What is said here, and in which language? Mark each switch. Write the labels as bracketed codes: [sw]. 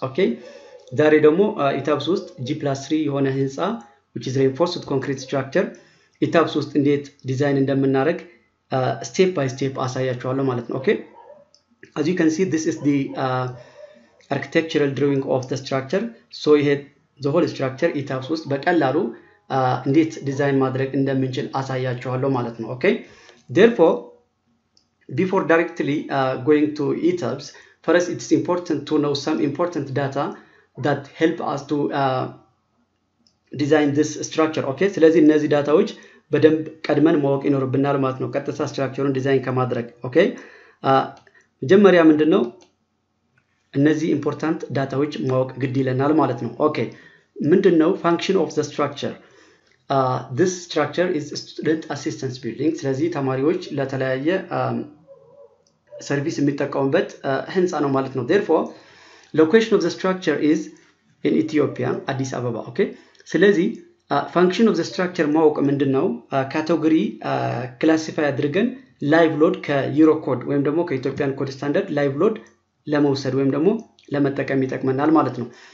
[am] Okay, ዛሬ ደግሞ ETABS ውስጥ G+3 የሆነ ህንፃ [en] which is reinforced with concrete structure [am] ETABS ውስጥ እንዴት ዲዛይን እንደምናደርግ [en] step by step [am] አሳያችኋለሁ ማለት ነው. [en] Okay, as you can see, this is the architectural drawing of the structure. So you have the whole structure [am] ETABS ውስጥ በቀላሉ እንዴት ዲዛይን ማድረግ እንደምንችል አሳያችኋለሁ ማለት ነው. [en] Okay, therefore, before directly going to ETABS, first it's important to know some important data that help us to design this structure. [am] Okay, ስለዚህ እነዚህ ዳታዎች በደንብ ቀድመን ማወቅ ይኖርብናል ማለት ነው ቀጥታ ስትራክቸሩን ዲዛይን ከማድረግ. Okay, መጀመሪያ ምንድነው እነዚህ important ዳታዎች ማወቅ ግድ ይለናል ማለት ነው. [en] Okay, [am] ምንድነው [en] function of the structure? This structure is student assistance building. [am] ስለዚህ ተማሪዎች ለተለያየ service የሚጠቀሙበት ህንፃ ነው ማለት ነው. [en] Therefore, location of the structure is in Ethiopia, Addis Ababa. [am] Okay, ስለዚህ [en] function of the structure [am] ማወቅ ምንድነው category classify አድርገን live load ከEuroCode ወይም ደግሞ ከEthiopian code [en] standard live load [am] ለመውሰድ ወይም ደግሞ ለመጠቀም ይጠቅመናል ማለት ነው.